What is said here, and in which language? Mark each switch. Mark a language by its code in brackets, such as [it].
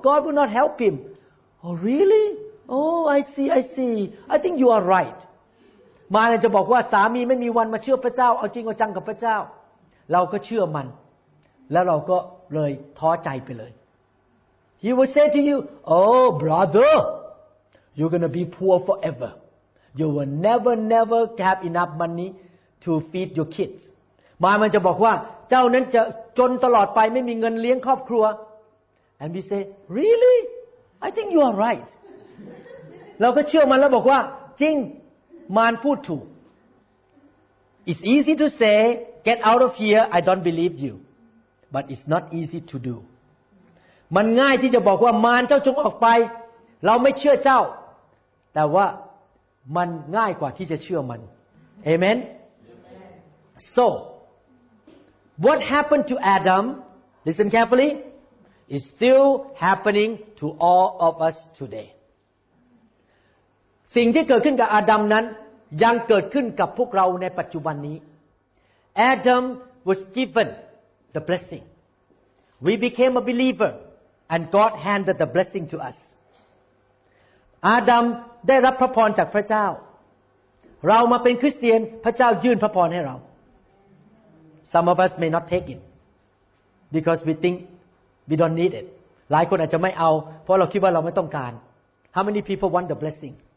[en] God will not help him. Oh, really? Oh, I see, I see. I think you are right. [th] มารจะบอกว่าสามีไม่มีวันมาเชื่อพระเจ้าเอาจริงเอาจังกับพระเจ้าเราก็เชื่อมันแล้วเราก็เลยท้อใจไปเลย [en] He will say to you, Oh, brother, you're going to be poor forever. You will never, never have enough money to feed your kids. [th] มารจะบอกว่าเจ้านั้นจะจนตลอดไปไม่มีเงินเลี้ยงครอบครัว [en] And we say, really? I think you are right. [th] เราก็เชื่อมันแล้วบอกว่าจริงมารพูดถูก [en] It's easy to say, get out of here, I don't believe you. But it's not easy to do. [th] มันง่ายที่จะบอกว่ามารเจ้าจงออกไปเราไม่เชื่อเจ้าแต่ว่ามันง่ายกว่าที่จะเชื่อมัน Amen? [en] So, what happened to Adam? Listen carefully. is still happening to all of us today. [th] สิ่งที่เกิดขึ้นกับอาดัมนั้นยังเกิดขึ้นกับพวกเราในปัจจุบันนี้ [en] Adam was given the blessing. We became a believer and God handed the blessing to us. [th] อาดัมได้รับพระพรจากพระเจ้าเรามาเป็นคริสเตียนพระเจ้ายื่นพระพรให้เรา [en] Some of us may not take it because we think we don't need it. [th] หลายคนอาจจะไม่เอาเพราะเราคิดว่าเราไม่ต้องการ [en] How many people want the blessing?